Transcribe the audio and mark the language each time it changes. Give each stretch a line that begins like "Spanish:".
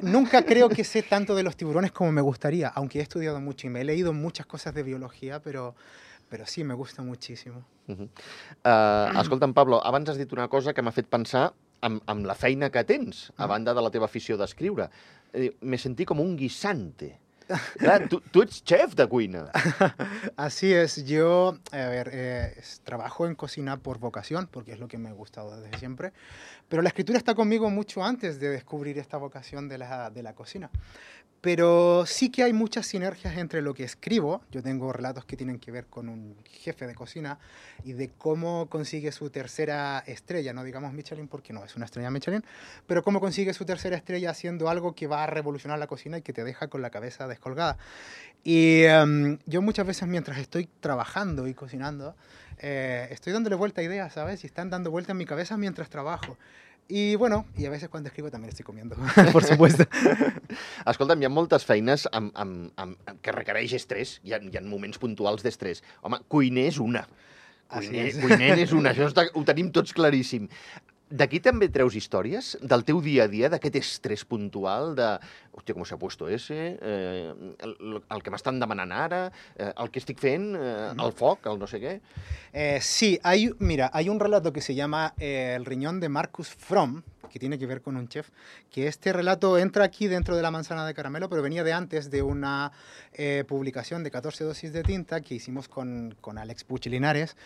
Spanish: Nunca creo que sé tanto de los tiburones como me gustaría, aunque he estudiado mucho y me he leído muchas cosas de biología, pero sí, me gusta muchísimo. Uh-huh.
Catalan: Escolta'm, Pablo, abans has dit una cosa que m'ha fet pensar en la feina que tens, a banda de la teva afició d'escriure.
Spanish: Me sentí
Catalan: com un guisante. Clar, tu ets chef de cuina.
Spanish: Así es, yo, a ver, trabajo en cocina por vocación, porque es lo que me ha gustado desde siempre, pero la escritura está conmigo mucho antes de descubrir esta vocación de la cocina. Pero sí que hay muchas sinergias entre lo que escribo. Yo tengo relatos que tienen que ver con un jefe de cocina y de cómo consigue su tercera estrella, no digamos Michelin porque no es una estrella Michelin, pero cómo consigue su tercera estrella haciendo algo que va a revolucionar la cocina y que te deja con la cabeza descolgada. Y yo muchas veces mientras estoy trabajando y cocinando, estoy dándole vuelta a ideas, ¿sabes? Y están dando vuelta en mi cabeza mientras trabajo.
Catalan: I, bueno, i a vegades quan escrivo també estic comiant,
Spanish: per supuesto.
Catalan: Escolta'm, hi ha moltes feines que requereix estrès, hi ha moments puntuals d'estrès. Home, cuiner és una. Cuiner és una, això ho tenim tots claríssim. D'aquí també treus històries, del teu dia a dia, d'aquest estrès puntual, de, hòstia, com s'ha
Spanish: puesto ese,
Catalan: el que m'estan demanant ara, el que estic fent, el foc, el no sé què.
Spanish: Sí, hay un relato que se llama El riñón de Marcus Fromm, que tiene que ver con un chef, que este relato entra aquí dentro de La manzana de caramelo, pero venía de antes, de una publicación de 14 dosis de tinta que hicimos con Alex Puch Linares,